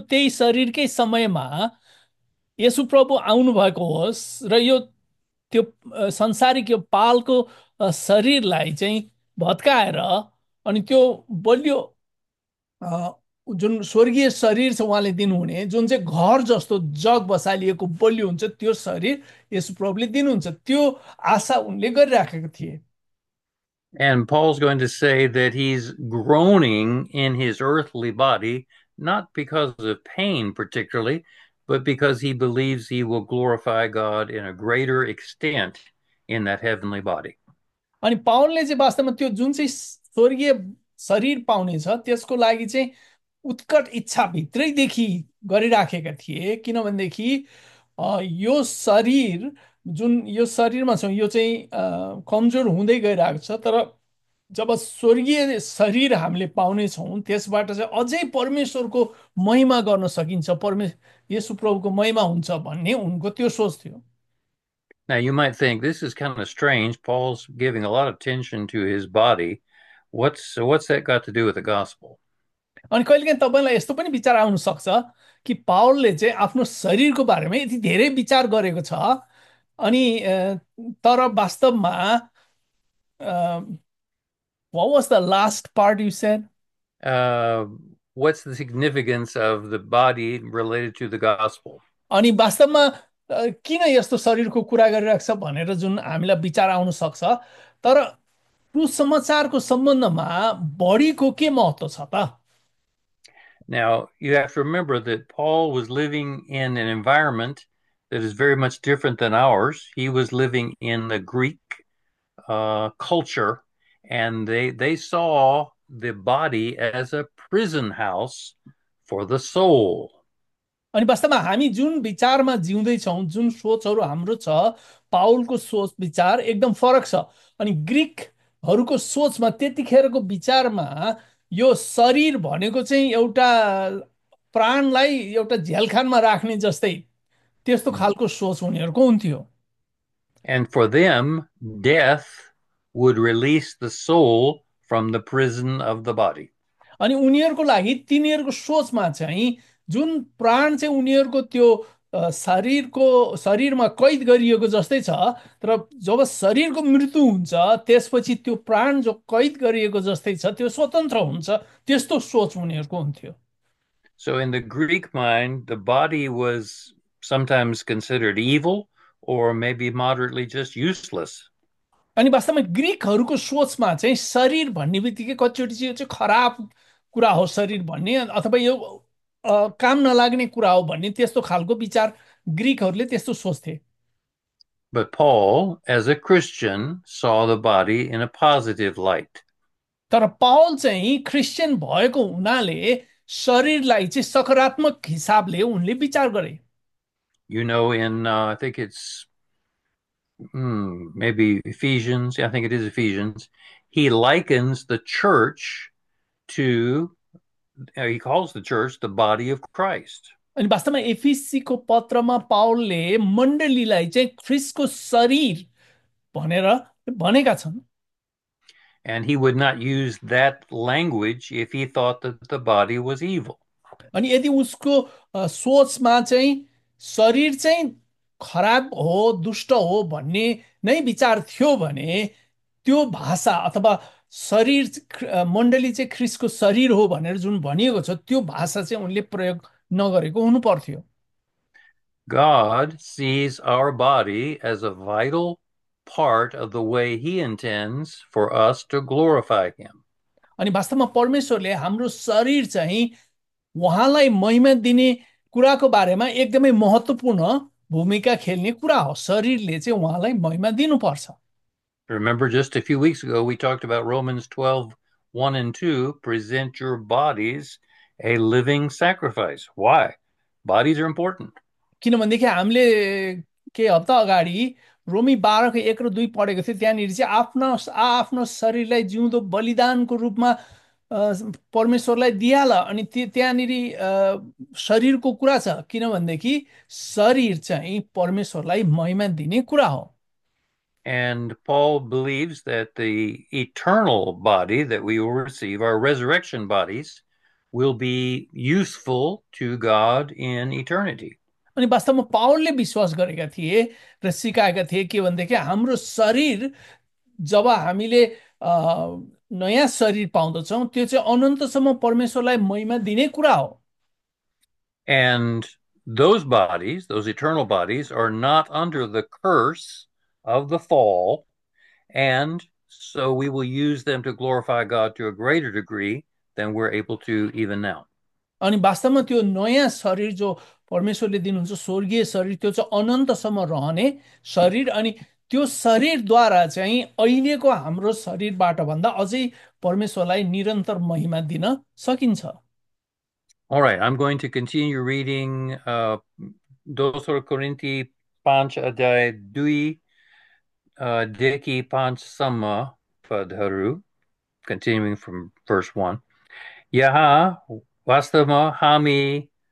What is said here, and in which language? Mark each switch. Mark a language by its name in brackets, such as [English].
[Nepali] laughs> त्यो संसारिक यो पालको शरीरलाई चाहिँ भत्काएर अनि त्यो बलियो जुन स्वर्गीय शरीर छ उहाँले दिनुहुने, जुन चाहिँ घर जस्तो जग बसालिएको बलियो हुन्छ, त्यो शरीर यशुप्रभुले दिनुहुन्छ, त्यो आशा उनले गरिराखेको थिए। [English] And Paul's going to say that he's groaning in his earthly body, not because of pain particularly, but because he believes he will glorify God in a greater extent in that heavenly body. [Nepali] अनि पाउलले चाहिँ वास्तवमा त्यो जुन चाहिँ स्वर्गीय शरीर पाउनेछ त्यसको लागि चाहिँ उत्कट इच्छा भित्रैदेखि गरिराखेका थिए, किनभनेदेखि यो शरीर जुन यो शरीरमा छौँ यो चाहिँ कमजोर हुँदै गइरहेको छ, तर जब स्वर्गीय शरीर हामीले पाउनेछौँ त्यसबाट चाहिँ अझै परमेश्वरको महिमा गर्न सकिन्छ, यशुप्रभुको महिमा हुन्छ भन्ने उनको त्यो सोच थियो। [English] Now, you might think this is kind of strange. Paul's giving a lot of attention to his body. What's that got to do with the gospel? [Nepali] अनि कहिलेकाहीँ तपाईँलाई यस्तो पनि विचार आउन सक्छ कि पावलले चाहिँ आफ्नो शरीरको बारेमा यति धेरै विचार गरेको छ, अनि तर वास्तवमा [English] what was the last part you said? What's the significance of the body related to the gospel? [Nepali] अनि वास्तवमा किन यस्तो शरीरको कुरा गरिरहेको छ भनेर जुन हामीलाई विचार आउन सक्छ, तर सुसमाचारको सम्बन्धमा बडीको के महत्त्व छ त? [English] Now, you have to remember that Paul was living in an environment that is very much different than ours. He was living in the Greek culture, and they saw the body as a prison house for the soul. [Nepali] अनि वास्तवमा हामी जुन विचारमा जिउँदैछौँ, जुन सोचहरू हाम्रो छ, पाउलको सोच विचार एकदम फरक छ। अनि ग्रिकहरूको सोचमा त्यतिखेरको विचारमा यो शरीर भनेको चाहिँ एउटा प्राणलाई एउटा झ्यालखानमा राख्ने जस्तै त्यस्तो खालको सोच उनीहरूको हुन्थ्यो। [English] And for them, death would release the soul from the prison of the body. [Nepali] अनि उनीहरूको लागि तिनीहरूको सोचमा चाहिँ जुन प्राण चाहिँ उनीहरूको त्यो शरीरको शरीरमा कैद गरिएको जस्तै छ, तर जब शरीरको मृत्यु हुन्छ त्यसपछि त्यो प्राण जो कैद गरिएको जस्तै छ त्यो स्वतन्त्र हुन्छ, त्यस्तो सोच उनीहरूको हुन्थ्यो। [English] So in the Greek mind, the body was sometimes considered evil or maybe moderately just useless. [Nepali] अनि वास्तवमा ग्रिकहरूको सोचमा चाहिँ शरीर भन्ने बित्तिकै कतिचोटि चाहिँ यो चाहिँ खराब कुरा हो शरीर भन्ने, अथवा यो काम नलाग्ने कुरा हो भन्ने त्यस्तो खालको विचार ग्रिकहरूले त्यस्तो सोच्थे। [English] But Paul, as a Christian, saw the body in a positive light. [Nepali] तर पाउल चाहिँ क्रिस्चियन भएको हुनाले शरीरलाई चाहिँ सकारात्मक हिसाबले उनले विचार गरे। [English] I think it's maybe Ephesians. Yeah, I think it is Ephesians. He likens the church to, he calls the church the body of Christ. [Nepali] अनि वास्तवमा एफिसीको पत्रमा पाउलले मण्डलीलाई चाहिँ ख्रिस्टको शरीर भनेर भनेका छन्। [English] And he would not use that language if he thought that the body was evil. [Nepali] अनि यदि उसको सोचमा चाहिँ शरीर चाहिँ खराब हो, दुष्ट हो भन्ने नै विचार थियो भने त्यो भाषा अथवा शरीर मण्डली चाहिँ ख्रिस्टको शरीर हो भनेर जुन भनिएको छ त्यो भाषा चाहिँ उनले प्रयोग नगरेको हुनु पर्थ्यो। [English] God sees our body as a vital part of the way he intends for us to glorify him. [Nepali] अनि वास्तवमा परमेश्वरले हाम्रो शरीर चाहिँ उहाँलाई महिमा दिने कुराको बारेमा एकदमै महत्त्वपूर्ण भूमिका खेल्ने कुरा हो। शरीरले चाहिँ उहाँलाई महिमा दिनुपर्छ। [English] Remember just a few weeks ago we talked about Romans 12, 1 and 2, present your bodies a living sacrifice. Why? Bodies are important. [Nepali] किनभनेदेखि हामीले केही हप्ता अगाडि रोमी 12 को 1 र 2 पढेको थियो, त्यहाँनिर चाहिँ आफ्नो शरीरलाई जिउँदो बलिदानको रूपमा परमेश्वरलाई दिइहाल। अनि त्यहाँनिर शरीरको कुरा छ किनभनेदेखि शरीर चाहिँ परमेश्वरलाई महिमा दिने कुरा हो। [English] And Paul believes that the eternal body that we will receive, our resurrection bodies, will be useful to God in eternity. [Nepali] अनि वास्तवमा पावलले विश्वास गरेका थिए र सिकाएका थिए के भनेदेखि हाम्रो शरीर जब हामीले नयाँ शरीर पाउँदछौँ त्यो चाहिँ अनन्तसम्म परमेश्वरलाई महिमा दिने कुरा हो। [English] And those bodies, those eternal bodies, are not under the curse of the fall, and so we will use them to glorify God to a greater degree than we're able to even now. [Nepali] अनि वास्तवमा त्यो नयाँ शरीर जो परमेश्वरले दिनुहुन्छ स्वर्गीय शरीर त्यो चाहिँ अनन्तसम्म रहने शरीर, अनि त्यो शरीरद्वारा चाहिँ अहिलेको हाम्रो शरीरबाट भन्दा अझै परमेश्वरलाई निरन्तर महिमा दिन सकिन्छ। [English] All right, I'm going to continue reading [Nepali] Dosor Korinti Panch Adai Dui. Deki panch sama padharu, [English] continuing from verse 1. [Nepali] Yaha vastama hami